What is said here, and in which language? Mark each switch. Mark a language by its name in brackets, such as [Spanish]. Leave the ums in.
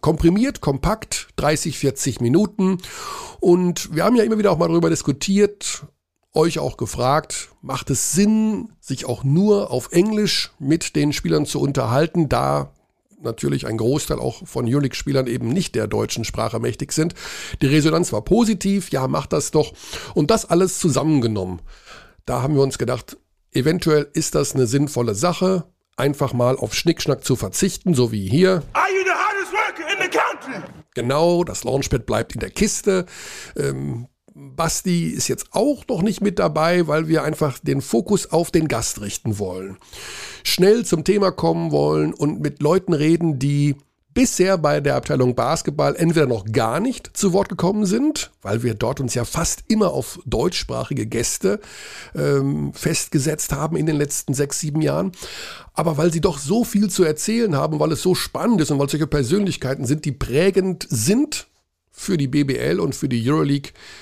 [German] Komprimiert, kompakt, 30, 40 Minuten. Und wir haben ja immer wieder auch mal darüber diskutiert, euch auch gefragt, macht es Sinn, sich auch nur auf Englisch mit den Spielern zu unterhalten, da natürlich ein Großteil auch von Euroleague-Spielern eben nicht der deutschen Sprache mächtig sind. Die Resonanz war positiv, ja, macht das doch. Und das alles zusammengenommen da haben wir uns gedacht, eventuell ist das eine sinnvolle Sache, einfach mal auf Schnickschnack zu verzichten, so wie hier. [English] Are you the hardest worker in the country? [German] Genau, das Launchpad bleibt in der Kiste. Ähm, Basti ist jetzt auch noch nicht mit dabei, weil wir einfach den Fokus auf den Gast richten wollen. Schnell zum Thema kommen wollen und mit Leuten reden, die bisher bei der Abteilung Basketball entweder noch gar nicht zu Wort gekommen sind, weil wir dort uns ja fast immer auf deutschsprachige Gäste ähm, festgesetzt haben in den letzten sechs, sieben Jahren, aber weil sie doch so viel zu erzählen haben, weil es so spannend ist und weil es solche Persönlichkeiten sind, die prägend sind für die BBL und für die Euroleague,